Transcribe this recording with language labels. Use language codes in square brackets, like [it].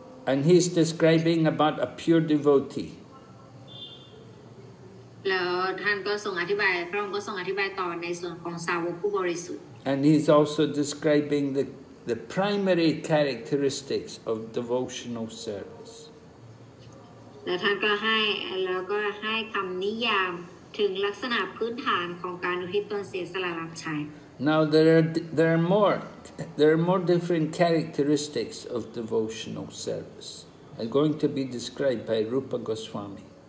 [en] And he's describing about a pure devotee. [th] แล้วท่านก็ส่งอธิบายพระองค์ก็ส่งอธิบายต่อในส่วนของสาวกผู้บริสุทธิ์ [en] And he's also describing the primary characteristics of devotional service [th] และท่านก็ให้แล้วก็ให้คำนิยามถึงลักษณะพื้นฐานของการอุทิศตนเสียสละรับใช้ [en] Now there are more different characteristics of devotional service are going to be described by Rupa Goswami.